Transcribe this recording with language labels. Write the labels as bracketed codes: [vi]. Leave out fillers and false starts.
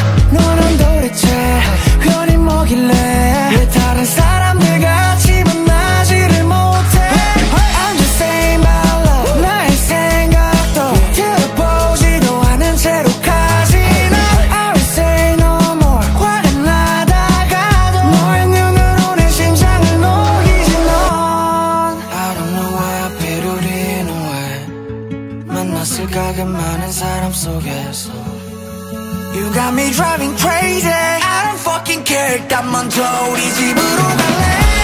[ko] 너는 도대체 흔히 뭐길래 왜 다른 사람들 같이 만나지를 못해. [en] I'm the same by love. [ko] 나의 생각도 들어보지도 않은 채로 가지. [en] I will say no more. [ko] 화가 나다가도 너의 눈으로 내 심장을 녹이지. [en] 넌 I don't know why I paid all in a way. [ko] 만났을까 그 많은 사람 속에서. [en] You got me driving crazy. I don't fucking care. [ko] 일단 먼저 우리 집으로 갈래.